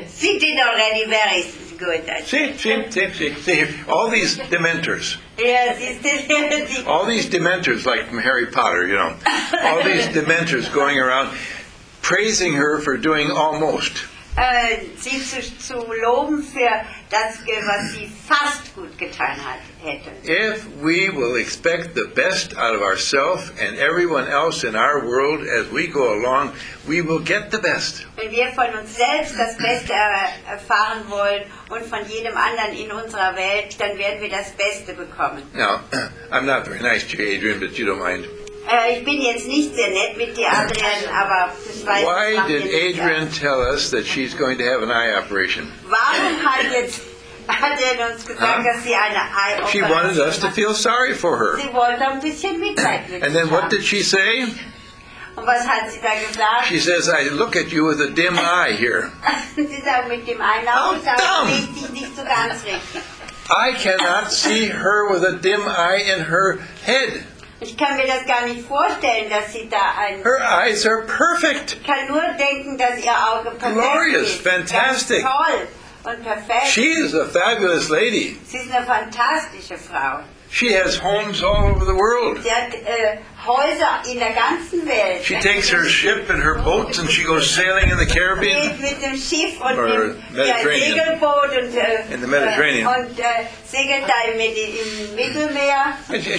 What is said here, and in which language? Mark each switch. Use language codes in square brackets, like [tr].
[en] She did already very good. See, all these dementors. Yes, yeah, all these dementors, like from Harry Potter, you know. All these dementors going around praising her for doing almost. [de] Sie zu loben für das, was sie fast gut getan hätte. [en] If we will expect the best out of ourselves and everyone else in our world as we go along, we will get the best. [de] Wenn wir von uns selbst das Beste erfahren wollen und von jedem anderen in unserer Welt, dann werden wir das Beste bekommen. [en] Now, I'm not very nice to you, Adrian, but you don't mind. [de] Ich bin jetzt nicht sehr nett mit dir, Adrian, aber das weiß [en] Why did Adrian tell us that she's going to have an eye operation? [de] Warum hat jetzt Adrian uns gesagt, dass sie eine Eye-Operation hat? [en] She wanted us to feel sorry for her. [de] Sie wollte ein bisschen Mitleid mit [en] And then what did she say? [de] Und was hat sie da gesagt? [en] She says, I look at you with a dim eye here. [de] Sie sagt, mit dem Einlauf, [en] oh, dumb. [de] Ich dich nicht so ganz richtig. [en] I cannot see her with a dim eye in her head. [de] Ich kann mir das gar nicht vorstellen, dass sie da ein... [en] Her eyes are perfect. [de] Ich kann nur denken, dass ihr Auge perfekt ist. [en] Glorious, fantastic. [de] Toll und perfekt. [en] She is a fabulous lady. [de] Sie ist eine fantastische Frau. [en] She has homes all over the world. [de] Sie hat Häuser in der ganzen Welt. [en] She takes her ship and her boats and she goes sailing in the Caribbean. [de] Geht mit dem Schiff und dem Segelboot und [en] in the Mediterranean. [de] Und segelt da im Mittelmeer.